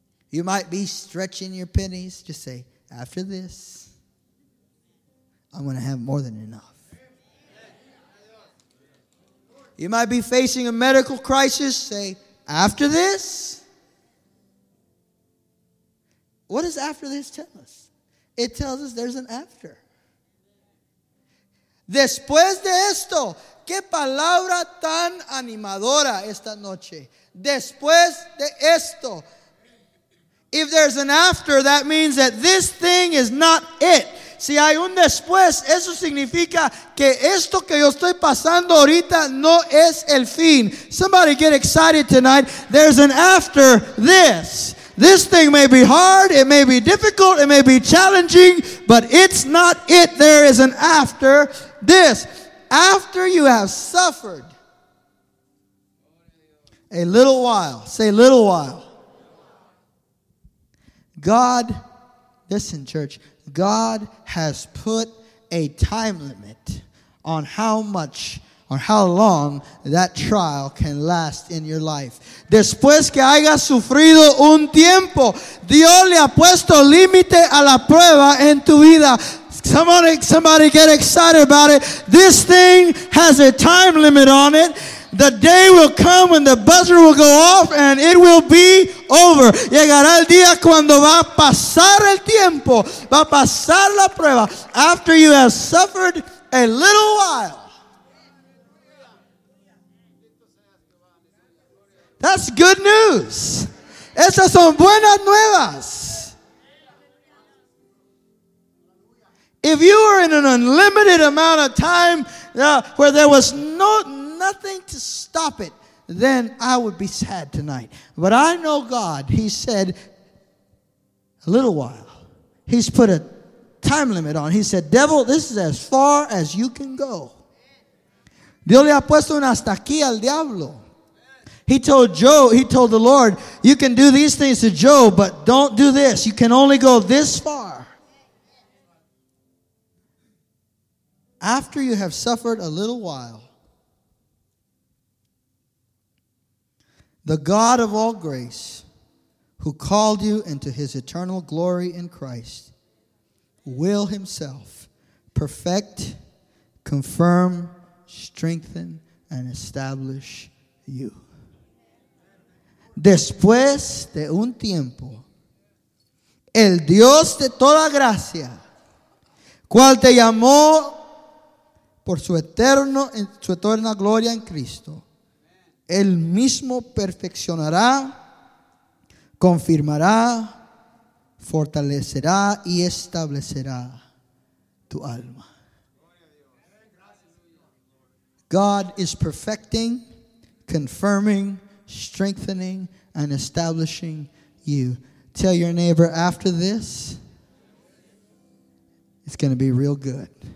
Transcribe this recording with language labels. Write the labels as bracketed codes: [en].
[en] You might be stretching your pennies. Just say, after this, I'm going to have more than enough. You might be facing a medical crisis. Say, after this, what does after this tell us? It tells us there's an after. [es] Después de esto, qué palabra tan animadora esta noche. Después de esto. [en] If there's an after, that means that this thing is not it. [es] si hay un después, eso significa que esto que yo estoy pasando ahorita no es el fin. [en] Somebody get excited tonight. There's an after this. This thing may be hard, it may be difficult, it may be challenging, but it's not it. There is an after this. After you have suffered a little while, say little while, God, listen, church, God has put a time limit on how much or how long that trial can last in your life. [es] Después que hayas sufrido un tiempo, Dios le ha puesto límite a la prueba en tu vida. [en] Somebody get excited about it. This thing has a time limit on it. The day will come when the buzzer will go off and it will be over. [es] Llegará el día cuando va a pasar el tiempo, va a pasar la prueba. [en] After you have suffered a little while. That's good news. [es] Esas son buenas nuevas. [en] If you were in an unlimited amount of time where there was nothing to stop it, then I would be sad tonight. But I know God. He said, a little while. He's put a time limit on. He said, devil, this is as far as you can go. [es] Dios le ha puesto un hasta aquí al diablo. [en] He told the Lord, you can do these things to Job, but don't do this. You can only go this far. After you have suffered a little while, the God of all grace, who called you into his eternal glory in Christ, will himself perfect, confirm, strengthen, and establish you. [es] Después de un tiempo, el Dios de toda gracia, cual te llamó por su eterna gloria en Cristo, él mismo perfeccionará, confirmará, fortalecerá y establecerá tu alma. [en] God is perfecting, confirming, strengthening, and establishing you. Tell your neighbor, after this, it's going to be real good.